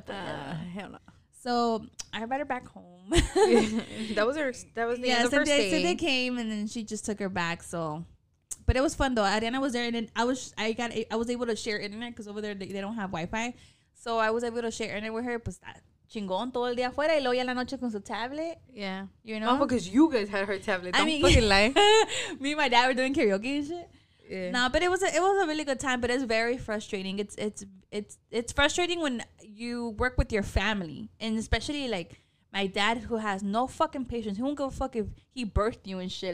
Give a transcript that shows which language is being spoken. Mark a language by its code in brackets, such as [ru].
[en] problem. So I brought her back home. That was the end of her stay. So they came and then she just took her back. So, but it was fun though. Ariana was there and then I was able to share internet because over there they don't have Wi-Fi. So I was able to share internet with her. [es] Pues [en] that. [es] Chingón todo el día afuera y luego ya la noche con su tablet. [en] Yeah. You know? Oh, because you guys had her tablet. Don't fucking lie. Me and my dad were doing karaoke and shit. Yeah. No, but it was a really good time, but it's very frustrating. It's frustrating when you work with your family, and especially like my dad who has no fucking patience. He won't give a fuck if he birthed you and shit.